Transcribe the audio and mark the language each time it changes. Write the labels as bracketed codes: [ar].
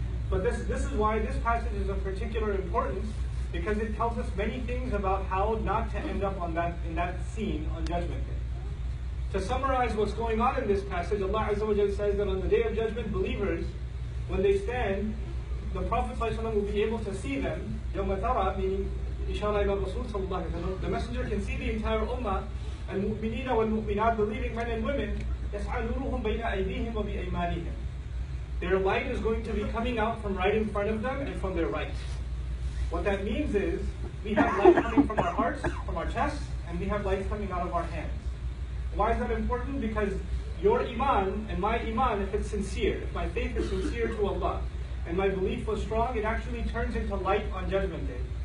[en] But this is why this passage is of particular importance, because it tells us many things about how not to end up in that scene on Judgment Day. To summarize what's going on in this passage, Allah Azza wa Jalla says that on the Day of Judgment, believers, when they stand, the Prophet will be able to see them. [ar] يَوْمَ تَرَى, [en] meaning [ar] إِشَارَ إِلَى الرَّسُولِ صَلَى اللَّهِ عَلَيْهِ وَسَلَّمَ. [en] The messenger can see the entire ummah, المؤمنين والمؤمنات, believing men and women, [ar] يَسْعَى نُورُهُمْ بَيْنَ أَيْدِيهِمْ وَبِأَيْمَانِهِمْ. [en] Their light is going to be coming out from right in front of them and from their right. What that means is, we have light coming from our hearts, from our chests, and we have light coming out of our hands. Why is that important? Because your iman and my iman, if it's sincere, if my faith is sincere to Allah, and my belief was strong, it actually turns into light on Judgment Day.